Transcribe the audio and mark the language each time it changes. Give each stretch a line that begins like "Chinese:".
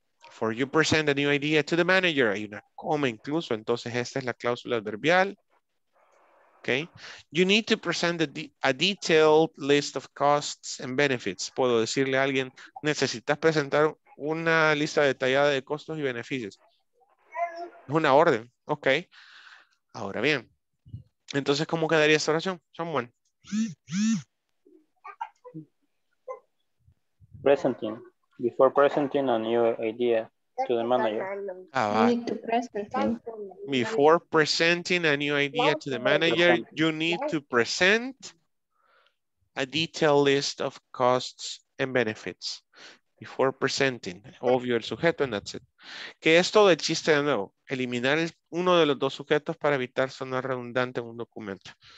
English: For you present a new idea to the manager.
Spanish: Hay una coma incluso. Entonces esta es la cláusula adverbial. Ok.
English: You need to present a detailed list of costs and benefits.
Spanish: Puedo decirle a alguien, necesitas presentar una lista detallada de costos y beneficios. Es una orden. Ok. Ahora bien. Entonces, ¿cómo quedaría esta oración? Someone.
English: Presenting. Before presenting a new idea to the manager.
Spanish: Ah, va.
English: Before presenting a new idea to the manager, you need to present a detailed list of costs and benefits. Before presenting,
Spanish: obvio el sujeto,
English: and that's it.
Spanish: Que es todo el chiste de nuevo, eliminar uno de los dos sujetos para evitar sonar redundante en un documento.